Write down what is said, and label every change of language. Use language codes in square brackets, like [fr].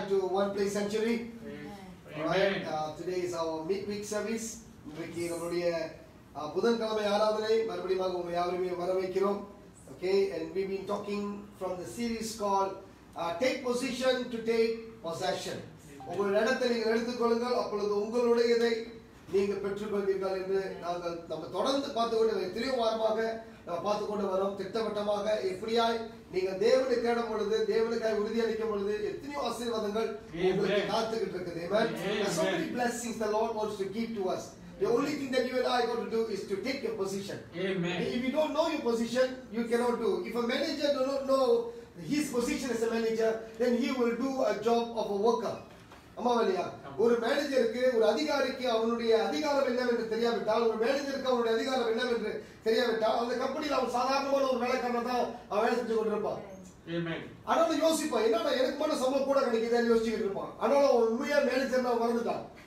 [en] Back to One Place Sanctuary. Amen. All right, today is our midweek service. [ta] Midweek, நம்மளுடைய புதன்கிழமை ஆராதனை மறுபடியும் உங்க யாவரையும் வரவேற்கிறோம். [en] Okay, and we've been talking from the series called Take Position to Take Possession. [ta] ஒவ்வொரு இடத்தை நீங்கள் எடுத்துக்கொள்ளுங்கள், அப்பொழுது உங்களுடையதை நீங்கள் பெற்றுக்கொள்வீர்கள் என்று நாங்கள் நம்ம தொடர்ந்து பார்த்து கொண்டு திரும்ப வாரமாக நம்ம பார்த்து கொண்டு வரோம். திட்டவட்டமாக எப்படியாய் நீங்கள் தேவனை தேடும் பொழுது, தேவனுக்காய் உறுதி அளிக்கும் பொழுது எத்தனையோ ஆசீர்வாதங்கள் உங்களுக்கு காத்துக்கிட்டு இருக்கு. [en] தேவன் so many blessings the Lord wants to give to us. The only thing that you and I are going to do is to take your position. Amen. If you don't know your position, you cannot do. If a manager does not know his position as a manager, then he will do a job of a worker. [ta] ஒரு மேனேஜருக்கு, ஒரு அதிகாரிக்கு அவனுடைய அதிகாரம் என்னவென்று தெரியாவிட்டால், ஒரு மேனேஜருக்கு அவனுடைய அதிகாரம் என்னவென்று தெரியாவிட்டால், அந்த கம்பெனியில் அவன் சாதாரணமான ஒரு வேலைக்காரன் தான் அவன் வேலை செஞ்சு கொண்டிருப்பான். ஆனாலும் யோசிப்பான், என்ன எனக்கு மட்டும் சம்பளம் கூட கிடைக்குதுன்னு யோசிச்சுட்டு இருப்பான். ஆனாலும் அவன் உண்மையா மேனேஜர்னா வளர்ந்துட்டான்.